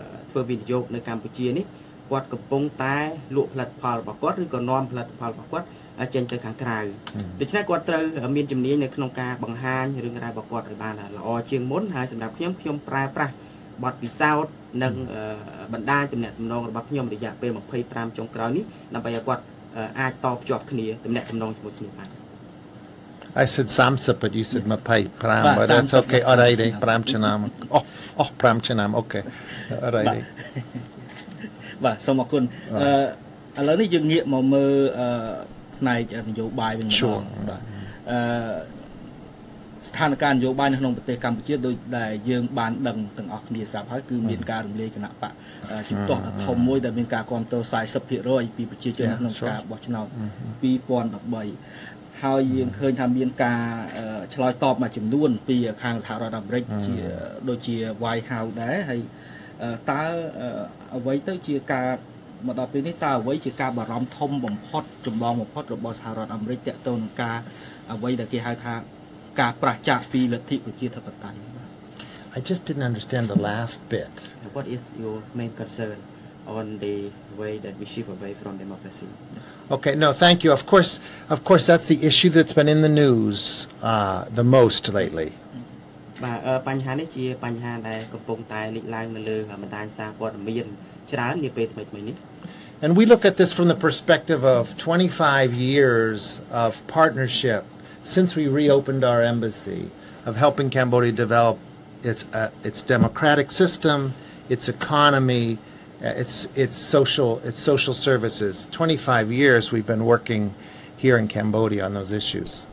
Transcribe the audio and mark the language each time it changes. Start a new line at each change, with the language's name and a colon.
Khmer: ធ្វើវិនិយោគនៅកម្ពុជានេះគាត់កំពុងតែលក់ផលិតផលរបស់គាត់ឬក៏នាំផលិតផលរបស់គាត់ចេញទៅខាងក្រៅដូច្នេះគាត់ត្រូវមានជំនាញនៅក្នុងការបង្ហាញរឿងរ៉ាវរបស់គាត់ឲ្យបានល្អជាងមុនហើយសម្រាប់ខ្ញុំប្រើប្រាស់បទពិសោធន៍និងបណ្ដាញទំនាក់ទំនងរបស់ខ្ញុំរយៈពេល25ចុងក្រោយនេះដើម្បីឲ្យគាត់អាចតបជាប់គ្នាទំនាក់ទំនងជាមួយគ្នាបាន
English: I said 30, but you said 25, but that's okay. All right, eh?
Khmer: Pram chanam.
English: Oh,
Khmer: pram chanam.
English: Okay. All right, eh?
Khmer: Ba, som akun.
English: A lot of you can get more mơ tonight and you'll buy when you're sure.
Khmer: ស្ថានភាពនយោបាយនៅក្នុងប្រទេសកម្ពុជាដូចដែលយើងបានដឹងទាំងអស់គ្នាស្រាប់ហើយគឺមានការរំលាយគណៈបកជំទាស់ដ៏ធំមួយដែលមានការគាំទ្រ 40% ពីប្រជាជនក្នុងការបោះឆ្នោត 2013ហើយយើងឃើញថាមានការឆ្លើយតបមួយចំនួនពីខាងសហរដ្ឋអាមេរិកជាដូចជា White House ដែរហើយតើអ្វីទៅជាការមកដល់ពេលនេះតើអ្វីជាការបារម្ភធំបំផុតចម្បងបំផុតរបស់សហរដ្ឋអាមេរិកទាក់ទងនឹងការអ្វីដែលគេហៅថាការប្រឆាំងពីលទ្ធិប្រជាធិបតេយ្យ
English: I just didn't understand the last bit. What is your main concern on the way that we shift away from democracy? Okay, no, thank you. Of course, that's the issue that's been in the news the most lately.
Khmer: បញ្ហានេះជាបញ្ហាដែលកំពុងតែលេចឡើងនៅលើបណ្ដាញសារព័ត៌មានច្រើននាពេលថ្មីៗនេះ
English: And we look at this from the perspective of 25 years of partnership since we reopened our embassy of helping Cambodia develop its democratic system, its economy,its social services 25 years we've been working here in Cambodia on those issues